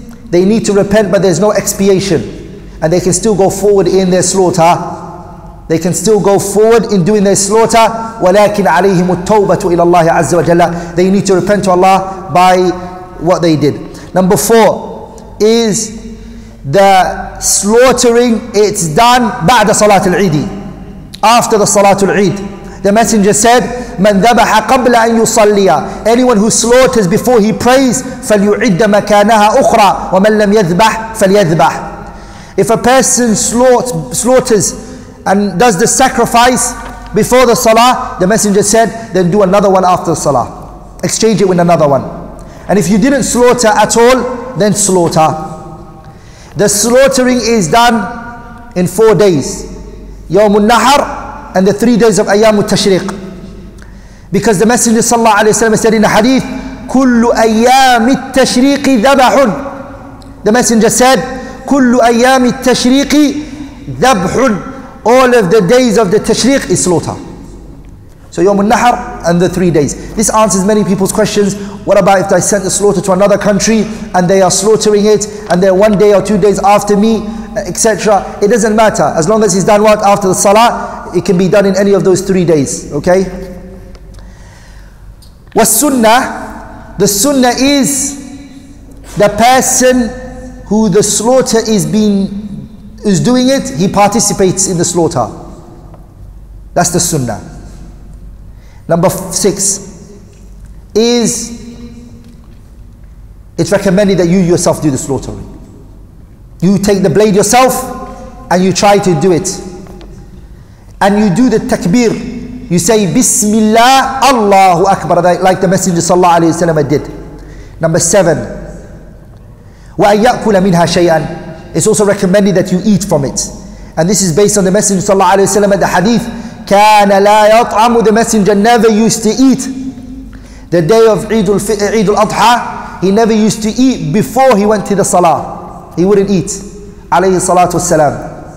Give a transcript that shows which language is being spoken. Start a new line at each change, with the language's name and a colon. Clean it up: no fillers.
English: They need to repent, but there's no expiation, and they can still go forward in their slaughter. They can still go forward in doing their slaughter.
Arabic: ولكن عليهم التوبة إلى الله عز وجل.
English: They need to repent to Allah by what they did. Number four is the slaughtering. It's done
Arabic: بعد صلاة العيد.
English: After the
Arabic: صلاة العيد,
English: the Messenger said,
Arabic: من ذبح قبل أن يصلي.
English: Anyone who slaughters before he prays,
Arabic: فليعد مكانها أخرى. ومن لم يذبح فليذبح.
English: If a person slaughters and does the sacrifice before the salah, the Messenger said, then do another one after the salah. Exchange it with another one. And if you didn't slaughter at all, then slaughter. The slaughtering is done in 4 days. Yawm al-Nahar and the 3 days of Ayyam al-Tashriq. Because the Messenger sallallahu alayhi wa sallam said in the hadith,
Arabic: كُلُّ أَيَّامِ التَّشْرِيقِ ذَبَحٌ.
English: The Messenger said,
Arabic: كُلُّ أَيَّامِ التَّشْرِيقِ ذَبْحٌ.
English: All of the days of the Tashriq is slaughter. So Yawm al-Nahar and the 3 days. This answers many people's questions. What about if I sent the slaughter to another country and they are slaughtering it and they're 1 day or 2 days after me, etc. It doesn't matter. As long as he's done what? After the salah, it can be done in any of those 3 days. Okay? Was-sunnah. The sunnah is the person who the slaughter is doing it, he participates in the slaughter. That's the sunnah. Number six is, it's recommended that you yourself do the slaughtering. You take the blade yourself and you try to do it. And you do the takbir. You say, Bismillah, Allahu Akbar, like the Messenger sallallahu alayhi wa sallam did. Number seven,
Arabic: وَأَن يَأْكُلَ مِنْهَا شَيْئًا.
English: It's also recommended that you eat from it. And this is based on the Messenger sallallahu alayhi wa sallam at the hadith,
Arabic: كَانَ لَا يَطْعَمُ.
English: The Messenger never used to eat the day of Eid al-Adha. He never used to eat before he went to the salah. He wouldn't eat, alayhi salatu wasalam.